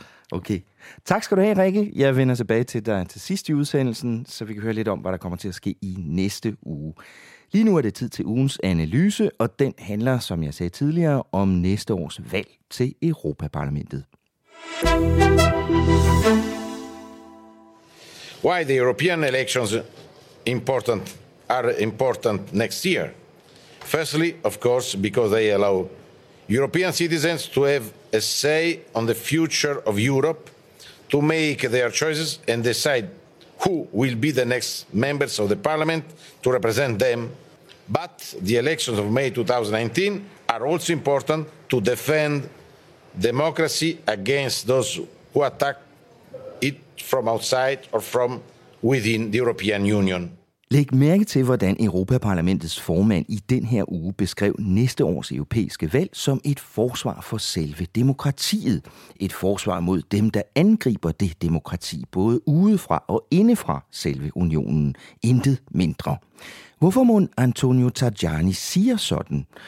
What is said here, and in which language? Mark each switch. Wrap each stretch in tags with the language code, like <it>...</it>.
<da>Okay. Tak skal du have, Rikke. Jeg vender tilbage til dig til sidst i udsendelsen, så vi kan høre lidt om, hvad der kommer til at ske i næste uge. Lige nu er det tid til ugens analyse, og den handler, som jeg sagde tidligere, om næste års valg til Europaparlamentet.</da> <en>Why the European elections are important next year? Firstly, of course, because they allow European citizens to have a say on the future of Europe, to make their choices and decide who will be the next members of the parliament to represent them. But the elections of May 2019 are also important to defend democracy against those who attack it from outside or from within the European Union.</en> <da>Læg mærke til, hvordan Europaparlamentets formand i den her uge beskrev næste års europæiske valg som et forsvar for selve demokratiet. Et forsvar mod dem, der angriber det demokrati både udefra og indefra selve unionen. Intet mindre. Hvorfor mon Antonio Tajani siger sådan?</da>